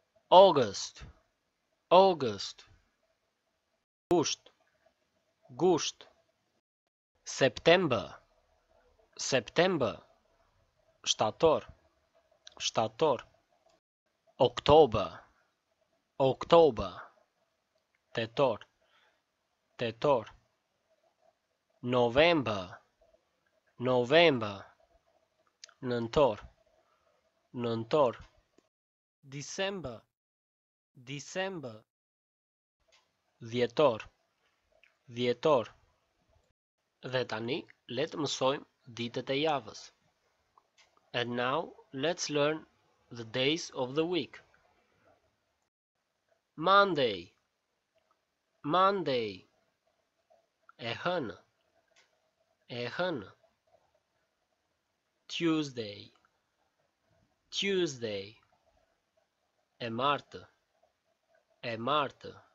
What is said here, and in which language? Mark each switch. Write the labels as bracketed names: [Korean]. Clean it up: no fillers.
[English] August, August, gusht, gusht. September, September, shtator, shtator. October, October, tetor, tetor. November, November, nëntor, nëntor. December, December, dhjetor, dhjetor. [Albanian] Dhe tani le të mësojmë ditët e javës. [English] And now let's learn the days of the week. [Albanian] Monday, Monday, e hënë, e hënë. Tuesday, Tuesday, e martë, e martë.